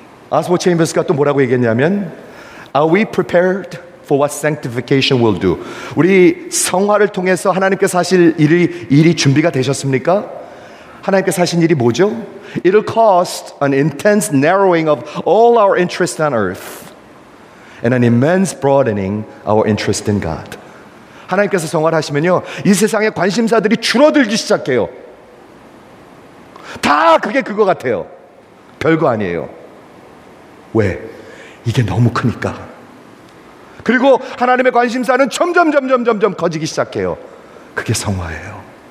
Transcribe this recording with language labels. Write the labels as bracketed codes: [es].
[ko] 아스보 체인버스가 또 뭐라고 얘기했냐면, [en] Are we prepared for what sanctification will do? [ko] 우리 성화를 통해서 하나님께서 하실 일이 준비가 되셨습니까? 하나님께서 하신 일이 뭐죠? [en] It'll cost an intense narrowing of all our interests on earth. and an immense broadening our interest in God. [ko] 하나님께서 성화를 하시면요, 이 세상의 관심사들이 줄어들기 시작해요. 다 그게 그거 같아요. 별거 아니에요. 왜? 이게 너무 크니까. 그리고 하나님의 관심사는 점점 커지기 시작해요. 그게 성화예요.